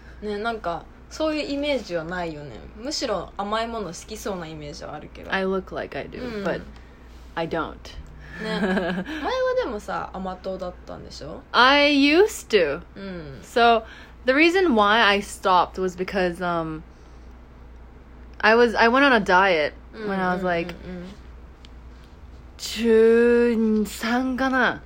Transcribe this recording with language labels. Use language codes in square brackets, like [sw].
[ja] ね、なんかそういうイメージはないよね。むしろ甘いもの好きそうなイメージはあるけど。 [en] I look like I do,、うん、but I don't. [ja] ね、前はでもさ、甘党だったんでしょ？ [en] I used to.、うん、 so, the reason why I stopped was because, I went on a diet when I was like, [ja] 中3かな、